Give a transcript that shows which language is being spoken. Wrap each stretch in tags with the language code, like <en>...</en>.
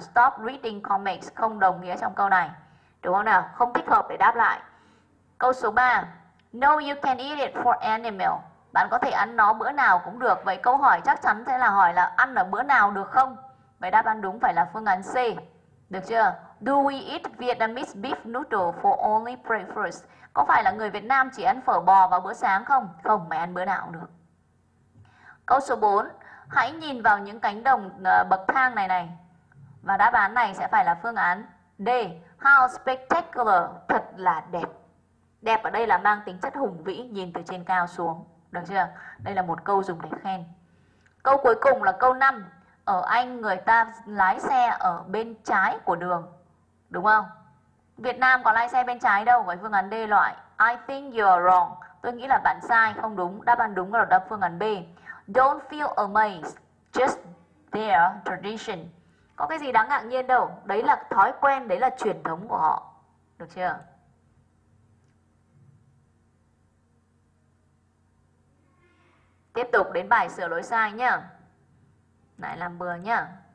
<en>Stop reading comics</en> <vi>không đồng nghĩa trong câu này, đúng không nào? Không thích hợp để đáp lại. Câu số 3,</vi> <en>no you can eat it for any meal.</en> <vi>Bạn có thể ăn nó bữa nào cũng được. Vậy câu hỏi chắc chắn sẽ là hỏi là ăn ở bữa nào được không? Vậy đáp án đúng phải là phương án C. Được chưa?</vi> <en>Do we eat Vietnamese beef noodle for only breakfast?</en> <vi>Có phải là người Việt Nam chỉ ăn phở bò vào bữa sáng không? Không, mày ăn bữa nào cũng được. Câu số 4, hãy nhìn vào những cánh đồng bậc thang này này. Và đáp án này sẽ phải là phương án D.</vi> <en>How spectacular,</en> <vi>thật là đẹp. Đẹp ở đây là mang tính chất hùng vĩ, nhìn từ trên cao xuống. Được chưa? Đây là một câu dùng để khen. Câu cuối cùng là câu 5. Ở Anh người ta lái xe ở bên trái của đường, đúng không? Việt Nam có lái xe bên trái đâu, với phương án D loại.</vi> <en>I think you're wrong.</en> <vi>Tôi nghĩ là bạn sai, không đúng. Đáp án đúng là đáp phương án B.</vi> <en>Don't feel amazed, just their tradition.</en> <vi>Có cái gì đáng ngạc nhiên đâu, đấy là thói quen, đấy là truyền thống của họ. Được chưa? Tiếp tục đến bài sửa lỗi sai nhá. Lại làm bừa nhá.</vi>